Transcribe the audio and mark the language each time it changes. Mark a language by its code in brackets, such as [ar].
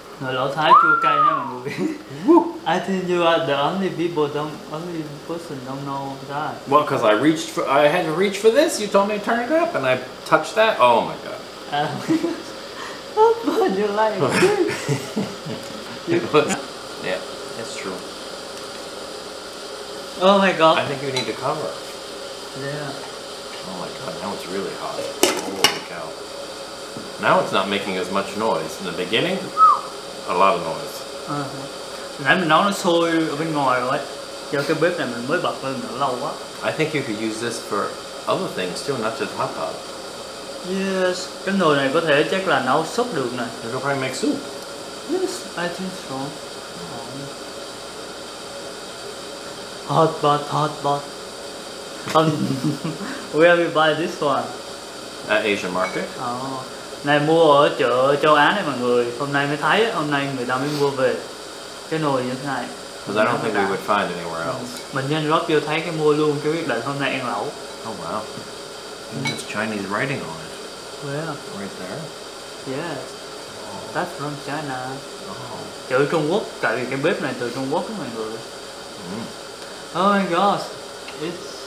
[vi] Nồi lẩu Thái chua cay nha mọi người. [en] I think you are the only people don't only person don't know that. Well, because I had to reach for this. You told me to turn it up, and I touched that. Oh my god. What you like? Yeah, that's true. Oh my god. I think you need to cover. Yeah. Oh my god, now it's really hot. Holy cow. Now it's not making as much noise. In the beginning, a lot of noise. [vi] Nãy mình nấu nó sôi ở bên ngoài rồi. Giờ cái bếp này mình mới bật lên nó lâu quá. [en] I think you could use this for other things too, not just hot pot. [vi] Yes, cái nồi này có thể chắc là nấu súp được nè. [en] You could probably make soup. Yes, I think so. Hot pot, hot pot. Where we buy this one? At Asian market. Oh. [vi] Này mua ở chợ châu Á này mọi người. Hôm nay mới thấy, hôm nay người ta mới mua về. Cái nồi như thế này. [en] Because I don't think we would find anywhere else. [vi] Mình nhân rót vô thấy cái mua luôn, cái quyết định hôm nay ăn lẩu. [en] Oh wow. There's Chinese writing on it. Yeah. Right there. Yes. Oh. That's from China. Oh. [vi] Chữ Trung Quốc, tại vì cái bếp này từ Trung Quốc đó mọi người. [en] Mm. Oh my gosh. It's...